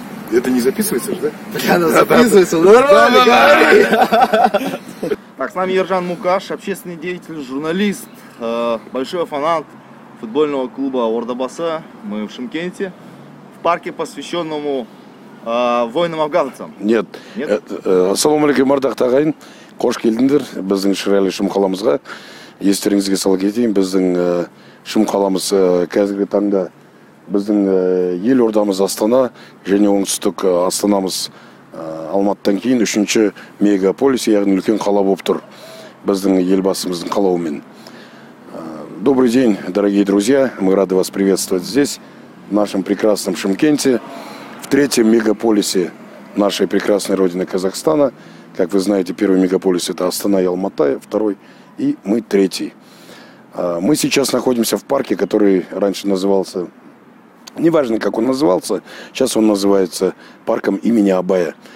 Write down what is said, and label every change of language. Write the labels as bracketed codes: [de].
[ru] Это не записывается же, да? Записывается. Так, с нами Ержан Мукаш, общественный деятель, журналист, большой фанат футбольного клуба Ордабасы. Мы в Шымкенте. Парке, посвященному воинам-афганцам. Нет. [kk] Ассаламу алейкум, ардақты ағайын. Қош келдіңдер. Біздің Шырайлы Шымқаламызға. Естеріңізге сала кетейін. Біздің Шымқаламыз қазіргі таңда. Біздің ел ордамыз Астана. Және оңтүстік Астанамыз Алматыдан кейін. Үшінші мегаполис, яғни үлкен қала болып тұр. Біздің елбасымыздың қалауымен. [ru] Добрый день, дорогие друзья. Мы рады вас приветствовать здесь. В нашем прекрасном Шымкенте, в третьем мегаполисе нашей прекрасной родины Казахстана. Как вы знаете, первый мегаполис это Астана и Алматы, второй, и мы третий. Мы сейчас находимся в парке, который раньше назывался, неважно как он назывался, сейчас он называется парком имени Абая.